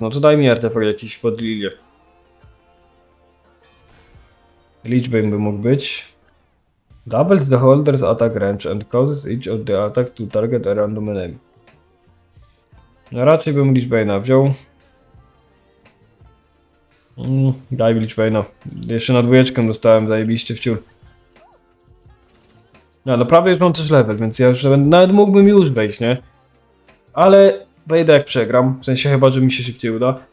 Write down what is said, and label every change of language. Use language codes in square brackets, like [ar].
[pl] No to daj mi artefakt jakiś pod lilię. Liczby by mógł być. [en] Doubles the holder's attack range and causes each of the attacks to target a random enemy. [pl] No raczej bym Lichbane'a wziął. Daj mi Lichbane'a. Jeszcze na dwójeczkę dostałem, zajebiście wciór. No, no prawie już mam też level, więc ja już nawet, nawet mógłbym już wejść, nie? Ale wejdę jak przegram, w sensie chyba, że mi się szybciej uda.